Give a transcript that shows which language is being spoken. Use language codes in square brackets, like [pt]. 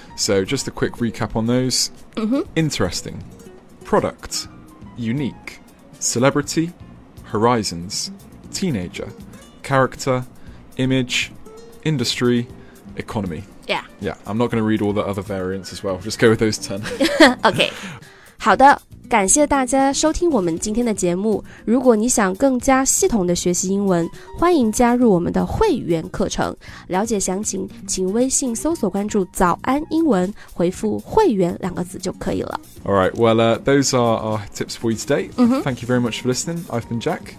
[en] So just a quick recap on those. Mm-hmm. Interesting. Product. Unique. Celebrity. Horizons, teenager, character, image, industry, economy. Yeah. Yeah, I'm not going to read all the other variants as well. Just go with those 10. Okay. [zh] 好的，感谢大家收听我们今天的节目。如果你想更加系统的学习英文，欢迎加入我们的会员课程。了解详情，请微信搜索关注“早安英文”，回复“会员”两个字就可以了。 [en] All right, well, those are our tips for you today. Mm-hmm. Thank you very much for listening. I've been Jack.